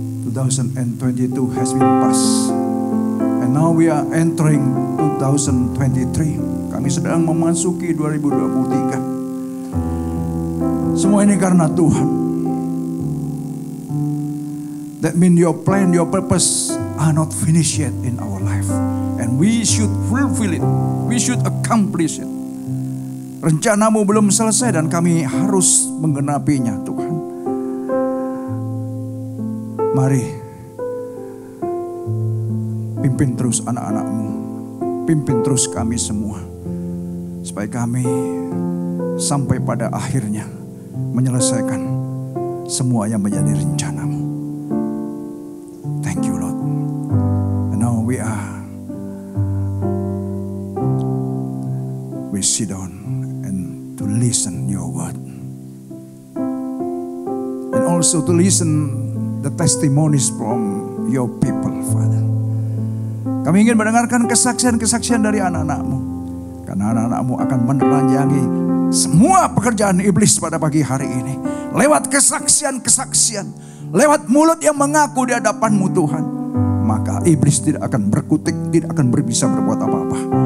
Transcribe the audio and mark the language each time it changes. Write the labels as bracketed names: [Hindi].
[English] 2022 has been passed, and now we are entering 2023. [Indonesian] Kami sedang memasuki 2023. Semua ini karena Tuhan. [English] That means your plan, your purpose are not finished yet in our life, and we should fulfill it. We should accomplish it. [Indonesian] Rencanamu belum selesai dan kami harus menggenapinya, Tuhan. Mari. Pimpin terus anak-anakmu, pimpin terus kami semua, supaya kami sampai pada akhirnya menyelesaikan semua yang menjadi rencanamu. [English] Thank you, Lord. And now we sit down and to listen your word, and also to listen the testimonies from your people, Father. [Indonesian] Kami ingin mendengarkan kesaksian-kesaksian dari anak-anakmu. Karena anak-anakmu akan menelanjangi semua pekerjaan iblis pada pagi hari ini. Lewat kesaksian-kesaksian, lewat mulut yang mengaku di hadapanmu, Tuhan. Maka iblis tidak akan berkutik, tidak akan bisa berbuat apa-apa.